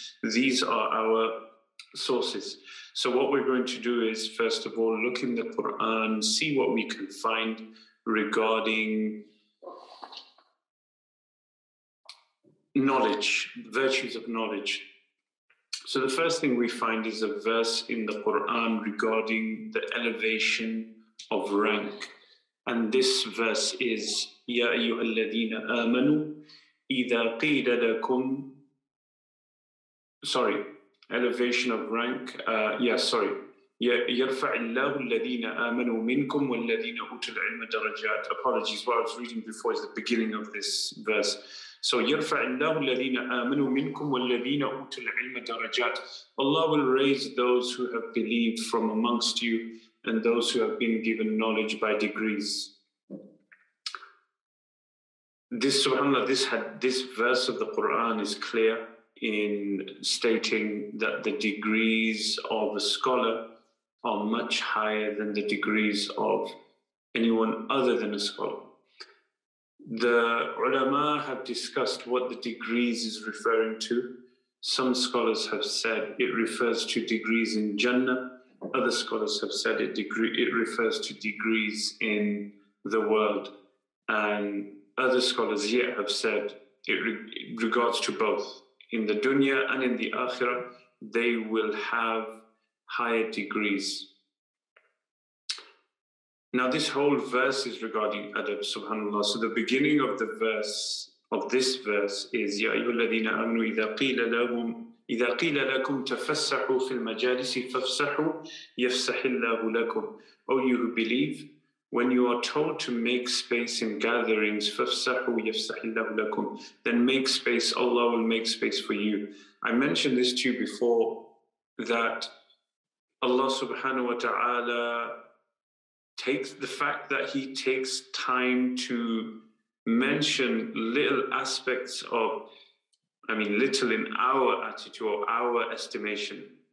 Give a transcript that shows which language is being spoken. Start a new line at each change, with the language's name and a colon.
English: These are our sources. So what we're going to do is, first of all, look in the Quran, see what we can find regarding knowledge, virtues of knowledge. So the first thing we find is a verse in the Quran regarding the elevation of rank. And this verse is,
Arabic: يَا أَيُّهَا الَّذِينَ آمَنُوا إِذَا قِيلَ لَكُمْ,
English: sorry, elevation of rank,
Arabic: يَرْفَعِ اللَّهُ الَّذِينَ آمَنُوا مِنْكُمْ وَالَّذِينَ أُوتُوا الْعِلْمَ دَرَجَاتِ.
English: Apologies, what I was reading before is the beginning of this verse.
Arabic: So يَرْفَعِ اللَّهُ الَّذِينَ آمَنُوا مِنْكُمْ وَالَّذِينَ أُوتُوا الْعِلْمَ دَرَجَاتِ.
English: Allah will raise those who have believed from amongst you and those who have been given knowledge by degrees. This, subhanAllah, this verse of the Quran is clear in stating that the degrees of a scholar are much higher than the degrees of anyone other than a scholar. The ulama have discussed what the degrees is referring to. Some scholars have said it refers to degrees in Jannah. Other scholars have said it refers to degrees in the world. And other scholars yet have said it regards to both. In the dunya and in the akhirah, they will have higher degrees. Now, this whole verse is regarding adab, subhanAllah. So the beginning of the verse, of this verse, is
Arabic: يَا أَيُّهَا الَّذِينَ آمَنُوا إِذَا قِيلَ لَكُمْ تَفَسَّحُوا فِي الْمَجَالِسِ فَفْسَحُوا يَفْسَحِ اللَّهُ لَكُمْ.
English: O you who believe, when you are told to make space in gatherings,
Arabic: فَفْسَحُوا يَفْسَحِ اللَّهُ لَكُمْ,
English: then make space, Allah will make space for you. I mentioned this to you before, that Allah subhanahu wa ta'ala takes the fact that he takes time to mention little aspects of, I mean, little in our attitude or our estimation.